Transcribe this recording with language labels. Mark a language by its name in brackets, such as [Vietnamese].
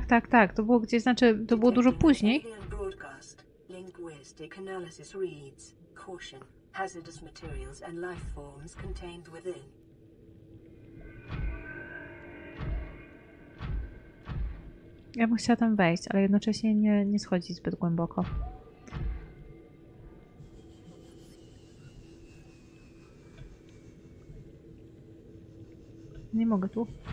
[Polish] Tak. To było gdzieś, znaczy, to było dużo później. [English] Linguistic analysis reads: caution, hazardous materials and life forms contained within. [Polish] Ja bym chciała tam wejść, ale jednocześnie nie schodzić zbyt głęboko. Nie mogę tu.